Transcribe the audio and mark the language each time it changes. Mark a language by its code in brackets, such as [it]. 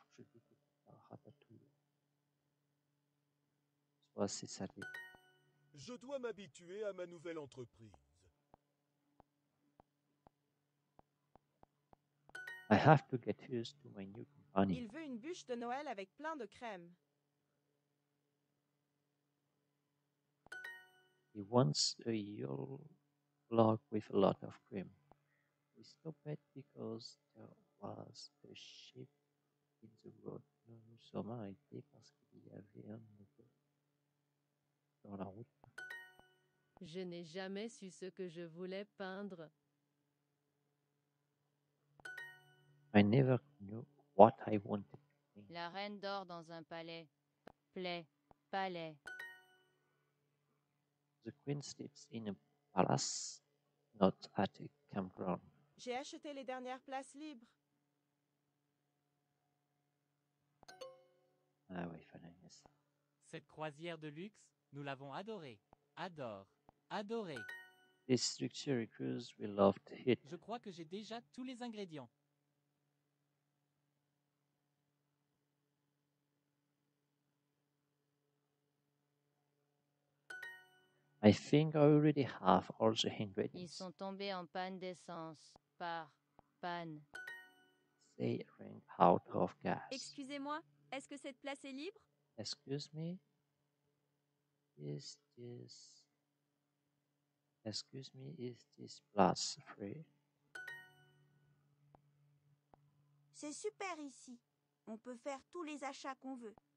[fr] Je dis que ta ratatouille soit assez salé. Je dois m'habituer à ma nouvelle entreprise. [en] I have to get used to my new company. [fr] Il veut une bûche de Noël avec plein de crème. [en] He wants a yule log with a lot of cream. We stopped it because there was a ship in the road. [fr] Nous nous sommes arrêtés parce qu'il y avait un mouton dans la route. Je n'ai jamais su ce que je voulais peindre. [en] I never knew what I wanted to paint. [fr] La reine dort dans un palais. Plaît. Palais. [en] The queen sleeps in a palace, not at a campground. [fr] J'ai acheté les dernières places libres. Ah oui, fallait ça. Cette croisière de luxe, nous l'avons adorée. Adore. Adorée. [en] This luxury cruise, we loved it. [fr] Je crois que j'ai déjà tous les ingrédients. [en] I think I already have all the ingredients. [fr] Ils sont tombés en panne d'essence. Par panne. [en] They ran out of gas. [fr] Excusez-moi, est-ce que cette place est libre? [en] Excuse me. Is this Excuse me, is this place free? [fr] C'est super ici. On peut faire tous les achats qu'on veut.